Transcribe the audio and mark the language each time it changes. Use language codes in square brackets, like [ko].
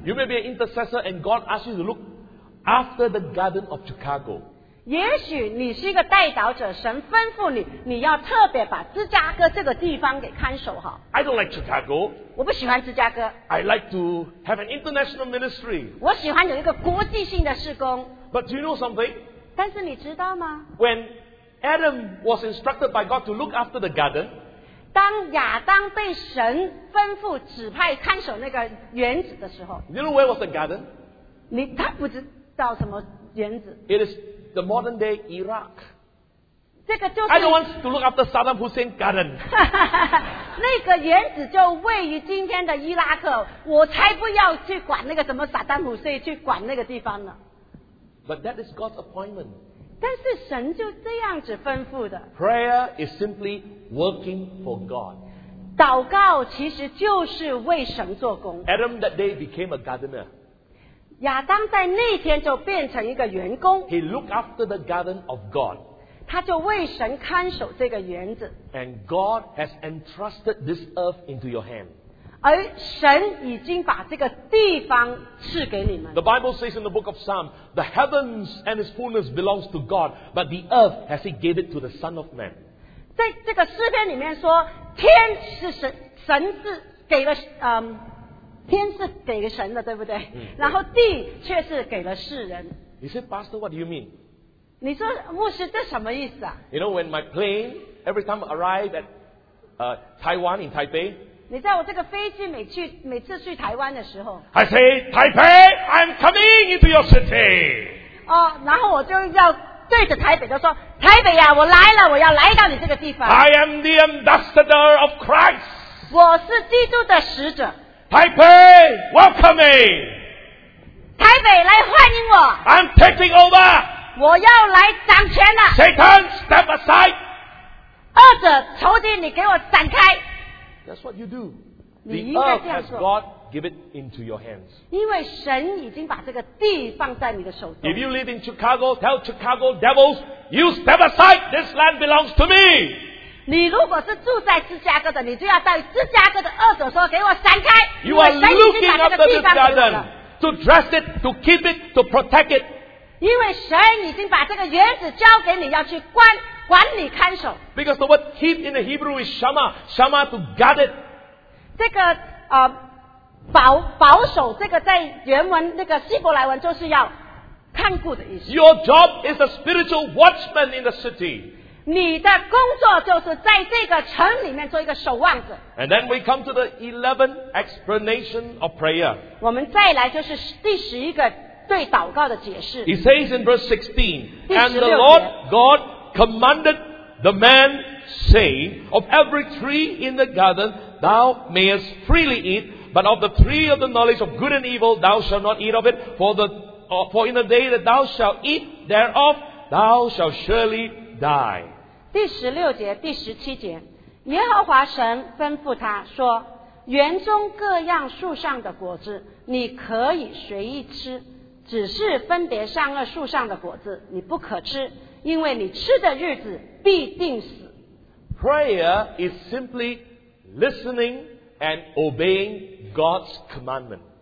[en] You may be an intercessor and God asks you to look after the Garden of Chicago. [zh] 也许你是一个代祷者，神吩咐你，你要特别把芝加哥这个地方给看守好。 [en] I don't like Chicago. [zh] 我不喜欢芝加哥。 [en] I like to have an international ministry. [zh] 我喜欢有一个国际性的事工。 [en] But do you know something? [zh] 但是你知道吗？ [en] When Adam was instructed by God to look after the garden, [zh] 当亚当被神吩咐指派看守那个园子的时候， [en] You know where was the garden? [zh] 他不知道什么园子。 [en] It is the modern day Iraq. [zh] 这个就是 [en] I don't want to look after Saddam Hussein garden. [zh] 那个园子就位于今天的伊拉克，我才不要去管那个什么萨丹胡塞，去管那个地方呢。 [en] But that is God's appointment. [zh] 但是神就这样子吩咐的。 [en] Prayer is simply working for God. [zh] 祷告其实就是为神做工。 [en] Adam that day became a gardener. [zh] 亚当在那天就变成一个园工。 [en] He looked after the garden of God. [zh] 他就为神看守这个园子。 [en] And God has entrusted this earth into your hand. [zh] 而神已经把这个地方赐给你们。 [en] The Bible says in the book of Psalms, the heavens and its fullness belongs to God, but the earth has He gave it to the Son of Man. [zh] 在这个诗篇里面说，天是神是给了天是给神的，对不对？然后地却是给了世人。 [en] You say, Pastor, what do you mean? [zh] 你说牧师，这什么意思啊？ [en] You know, when my plane every time I arrive at Taiwan in Taipei. [zh] 你在我这个飞机每次去台湾的时候 [en] I say, Taipei, I'm coming into your city. [zh] 然后我就要对着台北就说台北啊我来了我要来到你这个地方 [en] I am the ambassador of Christ. [zh] 我是基督的使者 [en] Taipei, welcome me. [zh] 台北来欢迎我 [en] I'm taking over. [zh] 我要来掌权了 [en] Satan, step aside. [zh] 恶者仇敌你给我闪开 [en] That's what you do. The earth has God give it into your hands. [zh] 因为神已经把这个地放在你的手中。 [en] If you live in Chicago, tell Chicago devils, you step aside, this land belongs to me. [zh] 你如果是住在芝加哥的，你就要在芝加哥的恶者说，给我闪开。 [en] You are looking after this garden to dress it, to keep it, to protect it. [zh] 因为神已经把这个园子交给你要去管。管理看守 [en] Because the word keep in the Hebrew is shama, shama to guard it. [zh] 这个保守这个在原文那个希伯来文就是要看顾的意思。 [en] Your job is a spiritual watchman in the city. [zh] 你的工作就是在这个城里面做一个守望者。 [en] And then we come to the 11th explanation of prayer. [zh] 我们再来就是第十一个对祷告的解释。 [en] He says in verse 16, and the Lord God. Commanded the man, saying, Of every tree in the garden thou mayest freely eat, but of the tree of the knowledge of good and evil thou shalt not eat of it, for in the day that thou shalt eat thereof thou shalt surely die. [zh] 第十六节第十七节耶和华神吩咐他说园中各样树上的果子你可以随意吃只是分别善恶树上的果子你不可吃因为你吃的日子必定死。 [en] Prayer is simply listening and obeying God's commandment.